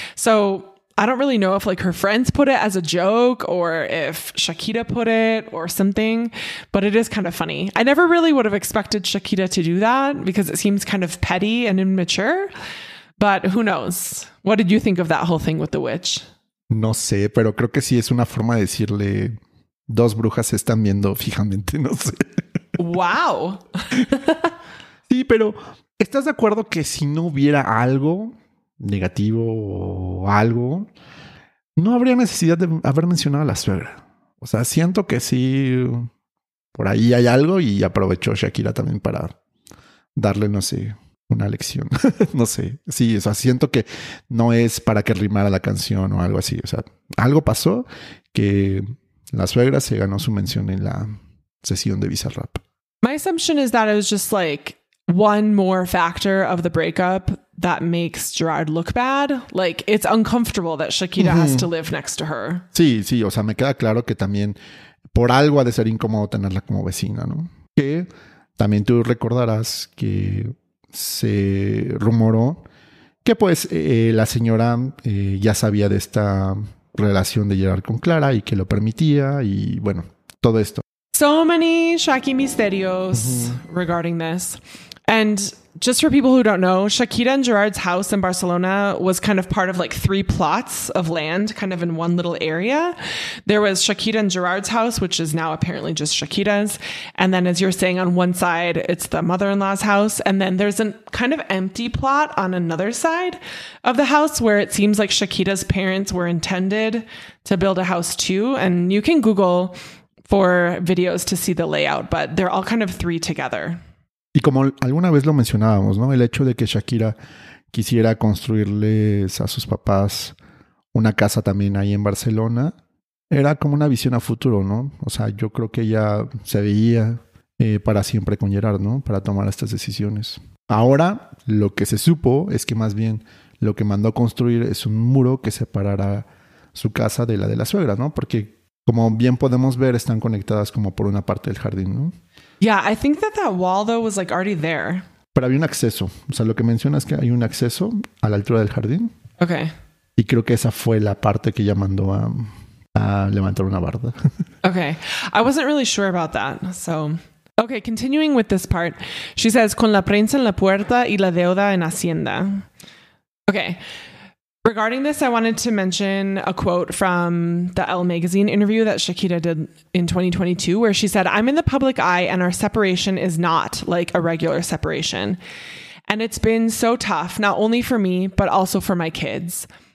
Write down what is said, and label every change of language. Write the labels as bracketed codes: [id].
[en] So I don't really know if like her friends put it as a joke or if Shakira put it or something, but it is kind of funny. I never really would have expected Shakira to do that because it seems kind of petty and immature, but who knows? What did you think of that whole thing with the witch? [es] No sé, pero creo que sí es una forma de decirle, dos brujas se están viendo fijamente, no sé. ¡Wow! Sí, pero ¿estás de acuerdo que si no hubiera algo negativo o algo, no habría necesidad de haber mencionado a la suegra? O sea, siento que sí, por ahí hay algo y aprovechó Shakira también para darle, no sé, una lección. No sé. Sí, o sea, siento que no es para que rimara la canción o algo así. O sea, algo pasó que la suegra se ganó su mención en la sesión de Bizarrap. [en] My assumption is that it was just like one more factor of the breakup that makes Gerard look bad. Like, it's uncomfortable that Shakira has to live next to her. [es] Sí, sí. O sea, me queda claro que también por algo ha de ser incómodo tenerla como vecina, ¿no? Que también tú recordarás que se rumoró que pues la señora ya sabía de esta relación de Gerard con Clara y que lo permitía y bueno, todo esto. [en] So many Shaki misterios regarding this. And just for people who don't know, Shakira and Gerard's house in Barcelona was kind of part of like three plots of land kind of in one little area. There was Shakira and Gerard's house, which is now apparently just Shakira's. And then as you're saying, on one side, it's the mother-in-law's house. And then there's a kind of empty plot on another side of the house where it seems like Shakira's parents were intended to build a house too. And you can Google for videos to see the layout, but they're all kind of three together. [es] Y como alguna vez lo mencionábamos, ¿no? El hecho de que Shakira quisiera construirles a sus papás una casa también ahí en Barcelona, era como una visión a futuro, ¿no? O sea, yo creo que ella se veía para siempre con Gerard, ¿no? Para tomar estas decisiones. Ahora, lo que se supo es que más bien lo que mandó construir es un muro que separara su casa de la suegra, ¿no? Porque como bien podemos ver, están conectadas como por una parte del jardín, ¿no? [en] Yeah, I think that wall, though, was like already there. [es] Pero había un acceso. O sea, lo que mencionas es que hay un acceso a la altura del jardín. [en] Okay. [es] Y creo que esa fue la parte que ella mandó a levantar una barda. [en] Okay. I wasn't really sure about that. So, okay, continuing with this part. She says, [es] con la prensa en la puerta y la deuda en Hacienda. [en] Okay. Regarding this, I wanted to mention a quote from the Elle magazine interview that Shakira did in 2022, where she said, I'm in the public eye and our separation is not like a regular separation. And it's been so tough, not only for me, but also for my kids.